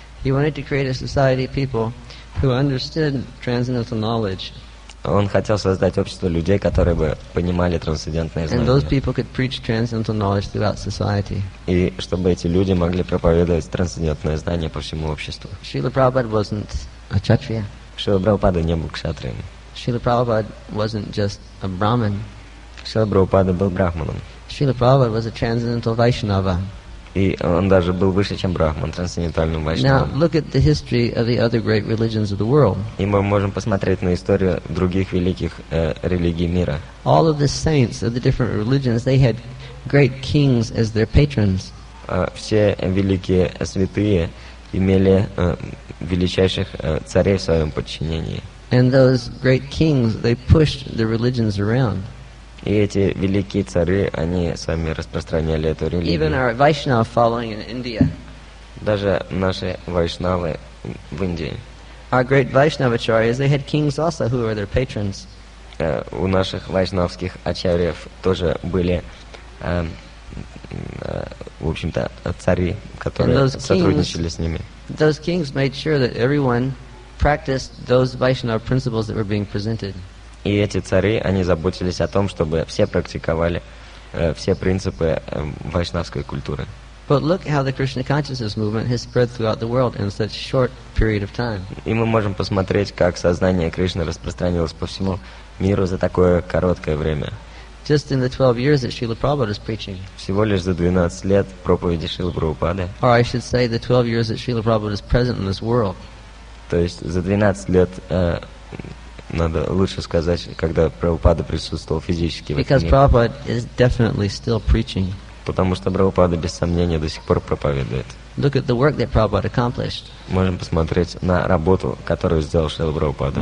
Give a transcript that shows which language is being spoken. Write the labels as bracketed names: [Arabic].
[English] He wanted to create a society of people who understood transcendental knowledge. [Russian] Он хотел создать общество людей, которые бы понимали трансцендентное знание. [English] And those people could preach transcendental knowledge throughout society. [Russian] И чтобы эти люди могли проповедовать трансцендентное знание по всему обществу. [English] Srila Prabhupada wasn't a kshatriya. [Russian] Srila Prabhupada не был кшатрием. [English] Srila Prabhupada wasn't just a Brahmin. [Russian] Srila Prabhupada был брахманом. [English] Srila Prabhupada was a transcendental Vaishnava. [Russian] И он даже был выше, чем брахман, трансцендентальным Вайшнавом. [English] Now look at the history of the other great religions of the world. [Russian] И мы можем посмотреть на историю других великих религий мира. [English] All of the saints of the different religions, they had great kings as their patrons. [Russian] Все великие святые имели величайших царей в своем подчинении. [English] And those great kings, they pushed the religions around. [Russian] И эти великие цари, они сами распространяли эту религию. [English] Even our Vaishnava following in India. [Russian] Даже наши вайшнавы в Индии. [English] Our great Vaishnavacharyas, they had kings also who were their patrons. [Russian] У наших вайшнавских ачарьев тоже были, в общем-то, цари, которые сотрудничали с ними. [English] Those kings made sure that everyone practiced those Vaishnava principles that were being presented. [Russian] И эти цари, они заботились о том, чтобы все практиковали все принципы вайшнавской культуры. [English] But look how the Krishna consciousness movement has spread throughout the world in such short period of time. [Russian] И мы можем посмотреть, как сознание Кришны распространилось по всему миру за такое короткое время. [English] Just in the 12 years that Srila Prabhupada is preaching. [Russian] Всего лишь за 12 лет проповеди Шрилы Прабхупады. [English] Or I should say the 12 years that Srila Prabhupada is present in this world. [Russian] То есть за 12 лет надо лучше сказать, когда Прабхупада присутствовал физически в этом мире. Потому что Прабхупада без сомнения до сих пор проповедует. [English] Look at the work that Prabhupada accomplished. [Russian] Можем посмотреть на работу, которую сделал Шрила Прабхупада.